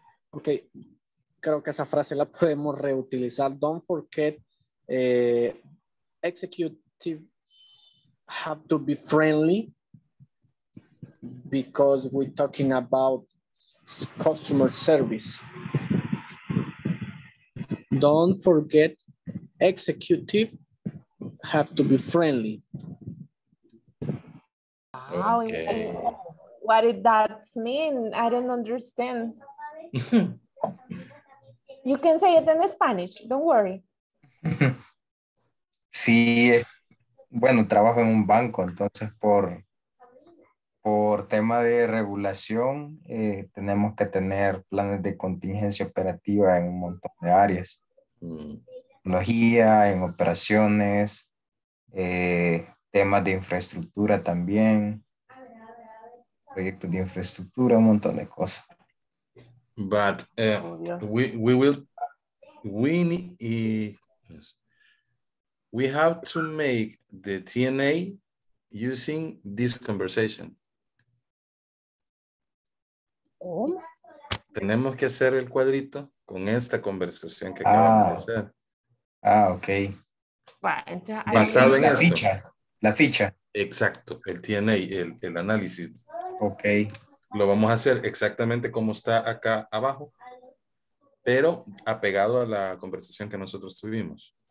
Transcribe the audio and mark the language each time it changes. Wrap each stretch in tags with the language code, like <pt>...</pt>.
<es>Okay, creo que esa frase la podemos reutilizar.</es> <en>Don't forget, executive have to be friendly because we're talking about customer service. Don't forget, executive have to be friendly. Okay. What did that mean? I don't understand. You can say it in Spanish, don't worry.</en> <es>Sí, bueno, trabajo en un banco, entonces por tema de regulación tenemos que tener planes de contingencia operativa en un montón de áreas. Tecnología, en operaciones, temas de infraestructura también, proyectos de infraestructura, un montón de cosas.</es> <en>But we have to make the TNA using this conversation.</en> <es>Tenemos que hacer el cuadrito con esta conversación que acabamos de hacer.</es> <en>Ah, okay.</en> <es>Basado en esto. La ficha. Exacto, el TNA, el análisis.</es> <en>Okay.</en> <es>Lo vamos a hacer exactamente como está acá abajo, pero apegado a la conversación que nosotros tuvimos.</es>